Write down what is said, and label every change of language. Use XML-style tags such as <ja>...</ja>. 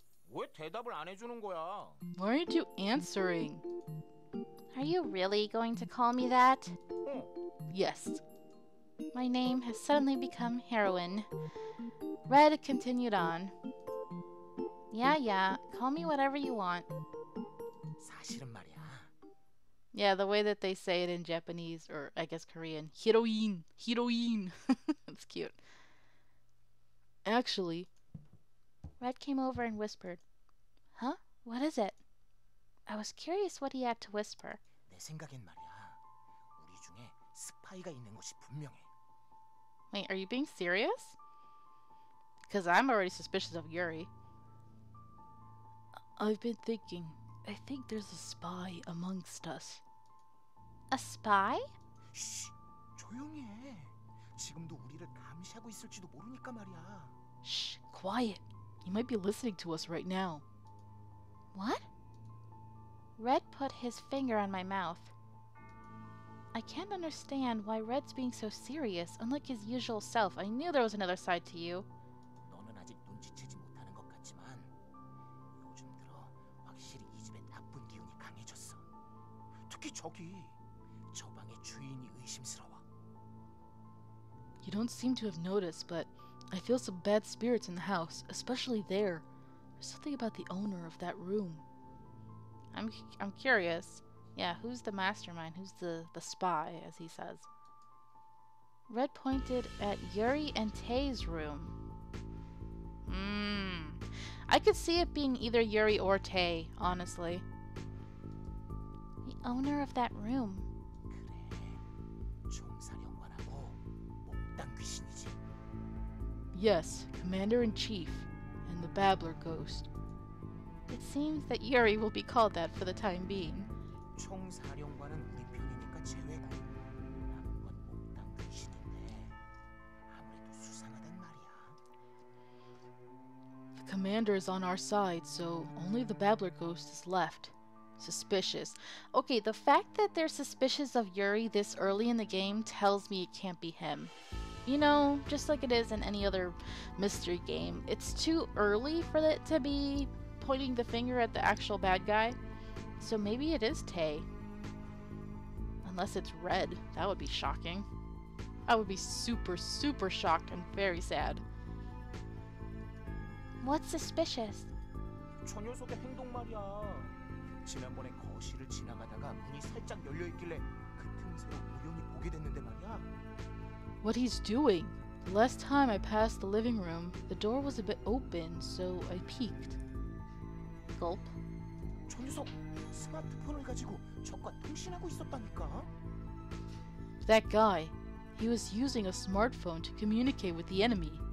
<ko>왜 대답을 안 해주는 거야?</ko> <en>Why aren't you answering? Are you really going to call me that? Yes. My name has suddenly become heroin. Red continued on. Yeah, call me whatever you want.</en> <ko>사실은 말이야.</ko> <en>Yeah, the way that they say it in Japanese, or I guess Korean, heroin. That's cute. Actually, Red came over and whispered, huh? What is it? I was curious what he had to whisper.</en> <ko>내 생각엔 말이야, 우리 중에 스파이가 있는 것이 분명해.</ko> <en>Wait, are you being serious? Because I'm already suspicious of Yuri. I've been thinking. I think there's a spy amongst us. A spy?</en> <ko>쉬, 조용히 해. 지금도 우리를 감시하고 있을지도 모르니까 말이야.</ko> <en>Shh, quiet. He might be listening to us right now. What? Red put his finger on my mouth. I can't understand why Red's being so serious, unlike his usual self. I knew there was another side to you.</en> <ko>너는 아직 눈치채지 못하는 것 같지만 요즘 들어 확실히 이 집에 나쁜 기운이 강해졌어. 특히 저기 저 방의 주인이 의심스러워.</ko> <en>You don't seem to have noticed, but I feel some bad spirits in the house, especially there. There's something about the owner of that room. I'm curious. Yeah, who's the mastermind? Who's the spy, as he says? Red pointed at Yuri and Tae's room. I could see it being either Yuri or Tae, honestly. The owner of that room.</en> <ko>그래, 총사령관하고 몽땅 귀신이지.</ko> <en>Yes, Commander-in-Chief and the Babbler Ghost. It seems that Yuri will be called that for the time being.</en> <ko>총사령관은 우리 편이니까 제외고 남은 건 몽땅 귀신인데 아무래도 수상하단 말이야.</ko> <en>The commander is on our side, so only the babbler ghost is left. Suspicious. Okay, the fact that they're suspicious of Yuri this early in the game tells me it can't be him. You know, just like it is in any other mystery game, it's too early for it to be pointing the finger at the actual bad guy. So maybe it is Tae. Unless it's Red. That would be shocking. I would be super, super shocked and very sad. What's suspicious?</en> <ko>저 녀석의 행동 말이야. 지난번에 거실을 지나가다가 문이 살짝 열려 있길래 그 틈새로 우연히 보게 됐는데 말이야.</ko> <en>What he's doing? The last time I passed the living room, the door was a bit open, so I peeked. Gulp.</en> <ko>저 녀석 스마트폰을 가지고 적과 통신하고 있었다니까.</ko> <en>That guy, he was using a smartphone to communicate with the enemy.</en>